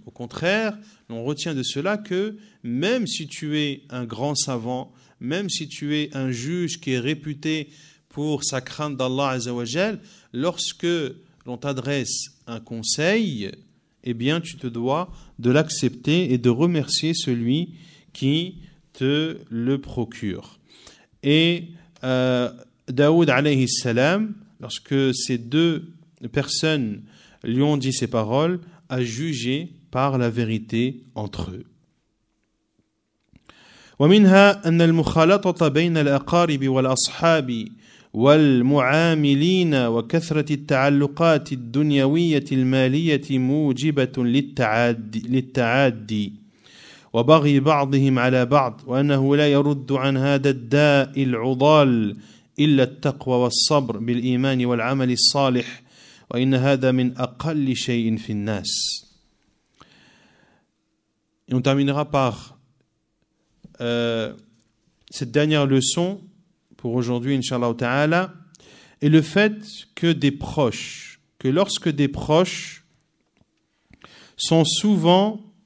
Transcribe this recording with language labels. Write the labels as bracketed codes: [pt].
[fr] Au contraire, on retient de cela que même si tu es un grand savant, même si tu es un juge qui est réputé pour sa crainte d'Allah Azza wa Jal, lorsque l'on t'adresse un conseil, eh bien tu te dois de l'accepter et de remercier celui qui te le procure. Et Daoud alayhi salam, lorsque ces deux personnes lui ont dit ces paroles, a jugé par la vérité entre eux. [ar] وَمِنْهَا أَنَّ الْمُخَالَطَةَ بَيْنَ الْأَقَارِبِ وَالْأَصْحَابِ والمعاملين وكثرة التعلقات الدنيوية المالية موجبة للتعدي وبغي بعضهم على بعض وأنه لا يرد عن هذا الداء العضال إلا التقوى والصبر بالإيمان والعمل الصالح وإن هذا من أقل شيء في الناس. [fr] On terminera par cette dernière leçon pour aujourd'hui, inshallah ta'ala, et le fait que des proches, que lorsque des proches sont souvent